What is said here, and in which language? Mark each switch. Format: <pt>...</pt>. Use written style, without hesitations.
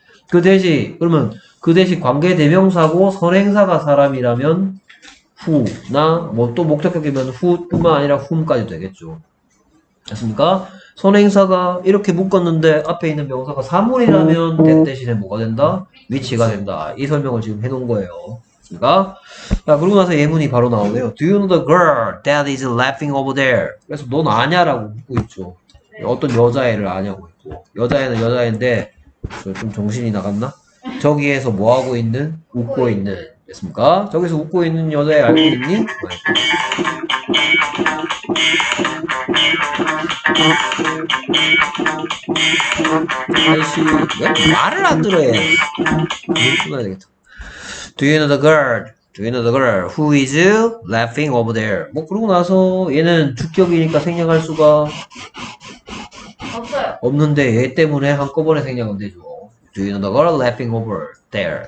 <ko>그 대신 그러면 그 대신 관계 대명사고 선행사가 사람이라면 who나 뭐 또 목적격이면 who뿐만 아니라 whom까지 되겠죠. 됐습니까? 선행사가 이렇게 묶었는데 앞에 있는 명사가 사물이라면 that 대신에 뭐가 된다? 위치가 된다. 이 설명을 지금 해놓은 거예요. 그러니까 자 그러고 나서 예문이 바로 나오네요.</ko> <en>Do you know the girl that is laughing over there?</en> <ko>그래서 넌 아냐라고 묻고 있죠. 어떤 여자애를 아냐고 있고 여자애는 여자애인데 좀 정신이 나갔나? 저기에서 뭐 하고 있는? 웃고 있는. 됐습니까? 저기서 웃고 있는 여자애 알고 있니? 아이씨, 왜 말을 안 들어 얘?</ko> <en>Do you know the girl? Do you know the girl who is laughing over there?</en> <ko>뭐 그러고 나서 얘는 주격이니까 생략할 수가 없어요. 없는데 얘 때문에 한꺼번에 생략은 되죠.</ko> <en>Do you know the girl laughing over there?</en>